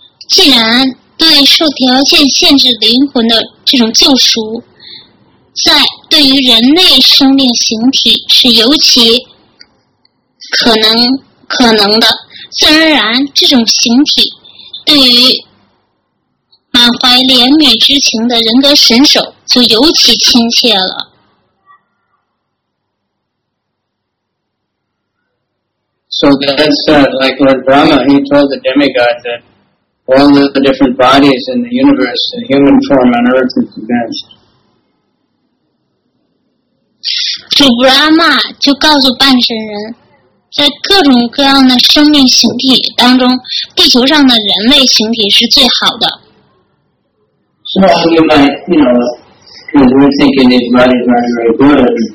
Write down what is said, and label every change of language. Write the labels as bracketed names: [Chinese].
[Chinese] 既然对受条件限制灵魂的这种救赎，在对于人类生命形体是尤其可能的，自然而然这种形体对于满怀怜悯之情的人格神手就尤其亲切了。 [English] So that's like Lord Brahma, he told the demigod that all the different bodies in the universe, the human form on earth is the best. [Chinese] 主布拉玛就告诉半神人，在各种各样的生命形体当中，地球上的人类形体是最好的。 [English] So you might, you know, because we're thinking these bodies aren't very good.